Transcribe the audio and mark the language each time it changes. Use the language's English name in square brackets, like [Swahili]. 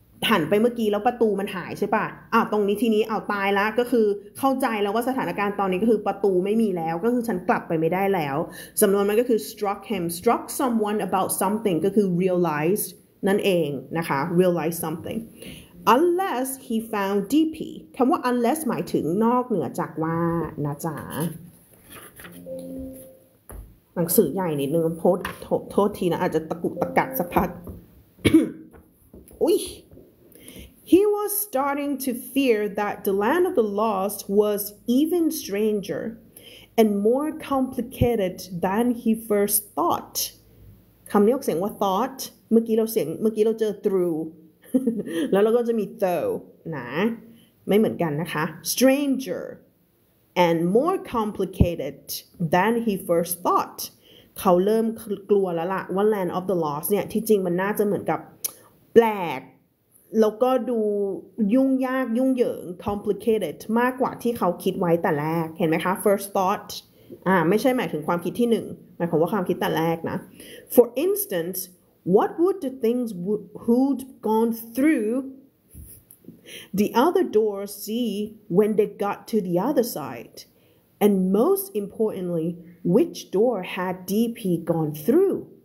[Thai] หันไปเมื่อกี้แล้วประตูมันหายใช่ป่ะตรงนี้ทีนี้ตายแล้วก็คือเข้าใจแล้วว่าสถานการณ์ตอนนี้ก็คือประตูไม่มีแล้วก็คือฉันกลับไปไม่ได้แล้วสำนวนมันก็คือ [English] struck him struck someone about something [Thai] ก็คือ realized นั่นเองนะคะ [English] realize something unless he found DP [Thai] คำว่า unless หมายถึงนอกเหนือจากว่านะจ๊ะหนังสือใหญ่นิดนึงโทษทีนะอาจจะตะกุกตะกักสักพัก อุ้ย [English] He was starting to fear that the land of the lost was even stranger and more complicated than he first thought. [Thai] คำนี้ออกเสียงว่า thought เมื่อกี้เราเสียงเมื่อกี้เราเจอ through แล้วเราก็จะมี though นะไม่เหมือนกันนะคะ [English] stranger and more complicated than he first thought [Thai] เขาเริ่มกลัวแล้วล่ะว่า land of the lost เนี่ยที่จริงมันน่าจะเหมือนกับแปลกแล้วก็ดูยุ่งยากยุ่งเหยิง complicated มากกว่าที่เขาคิดไว้แต่แรกเห็นไหมคะ first thought ไม่ใช่หมายถึงความคิดที่หนึ่งหมายความว่าความคิดแต่แรกนะ [English] for instance what would the things who'd gone through the other door see when they got to the other side and most importantly which door had DP gone through